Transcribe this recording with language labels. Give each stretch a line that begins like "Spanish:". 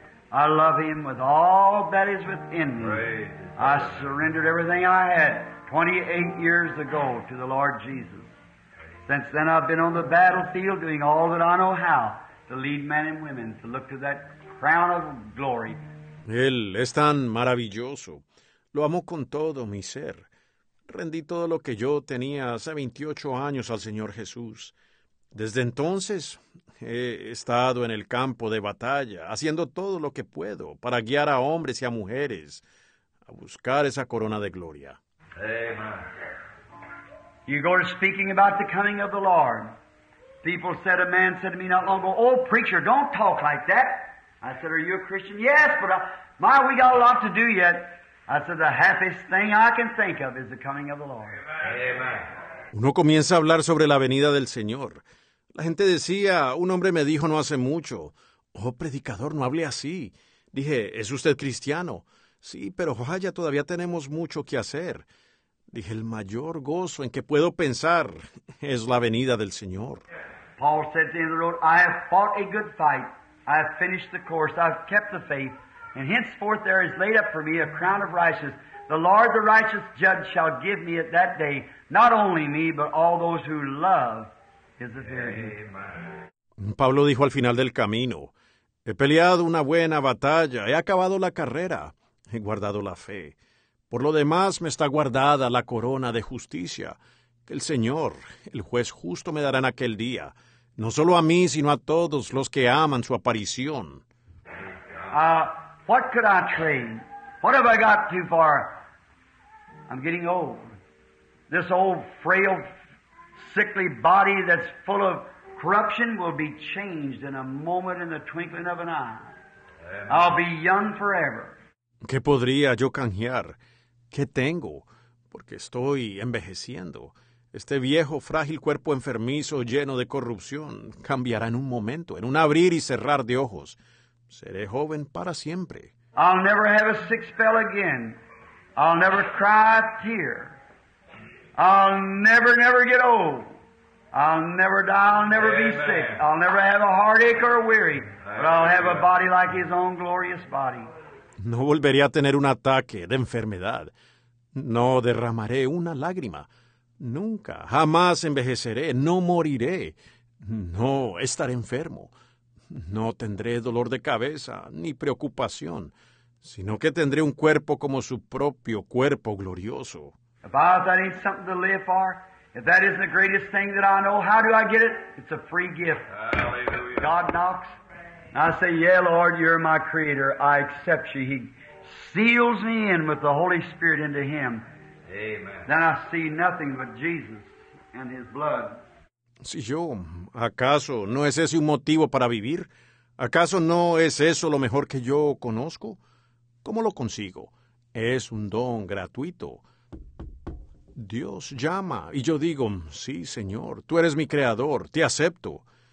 English: I love Him with all that is within me. I surrendered everything I had 28 years ago to the Lord Jesus. Since then I've been on the battlefield doing all that I know how to lead men and women to look to that crown of glory.
Spanish: Él es tan maravilloso. Lo amo con todo mi ser. Rendí todo lo que yo tenía hace 28 años al Señor Jesús. Desde entonces he estado en el campo de batalla, haciendo todo lo que puedo para guiar a hombres y a mujeres a buscar esa corona de gloria.
English: Amen. You go to speaking about the coming of the Lord. People said, a man said to me not long ago, "Oh, preacher, don't talk like that." I said, "Are you a Christian?" "Yes, but we got a lot to do yet." I said, "The happiest thing I can think of is the coming of the Lord." Amen.
Spanish: Uno comienza a hablar sobre la venida del Señor. La gente decía, un hombre me dijo no hace mucho, "Oh, predicador, no hable así." Dije, "¿Es usted cristiano?" "Sí, pero vaya, todavía tenemos mucho que hacer." Dije, "El mayor gozo en que puedo pensar es la venida del Señor."
English: Paul said at the end of the road, "I have fought a good fight. I have finished the course. I have kept the faith. And henceforth there is laid up for me a crown of righteousness. The Lord, the righteous judge, shall give me at that day, not only me, but all those who love His appearing." Amen.
Spanish: Pablo dijo al final del camino, "He peleado una buena batalla, he acabado la carrera, he guardado la fe. Por lo demás me está guardada la corona de justicia, que el Señor, el juez justo, me dará en aquel día, no solo a mí, sino a todos los que aman su aparición."
English: What could I train? What have I got too far? I'm getting old. This old, frail, sickly body that's full of corruption will be changed in a moment in the twinkling of an eye. I'll be young forever.
Spanish: ¿Qué podría yo canjear? ¿Qué tengo? Porque estoy envejeciendo. Este viejo, frágil cuerpo enfermizo, lleno de corrupción, cambiará en un momento, en un abrir y cerrar de ojos. Seré joven para siempre.
English: I'll never have a sick spell again. I'll never cry a tear. I'll never, never get old. I'll never die. I'll never Amen. Be sick. I'll never have a heartache or a weary. But I'll have a body like His own glorious body.
Spanish: No volveré a tener un ataque de enfermedad. No derramaré una lágrima. Nunca, jamás envejeceré. No moriré. No estaré enfermo. No tendré dolor de cabeza ni preocupación, sino que tendré un cuerpo como su propio cuerpo glorioso.
English: If that ain't something to live for, if that isn't the greatest thing that I know, how do I get it? It's a free gift. Hallelujah. God knocks, and I say, "Yeah, Lord, you're my creator. I accept you." He seals me in with the Holy Spirit into Him. Amen. Then I see nothing but Jesus and His blood.
Spanish: Si yo, ¿acaso no es ese un motivo para vivir? ¿Acaso no es eso lo mejor que yo conozco? ¿Cómo lo consigo? Es un don gratuito. Dios llama, y yo digo, "Sí, Señor, Tú eres mi Creador, Te acepto."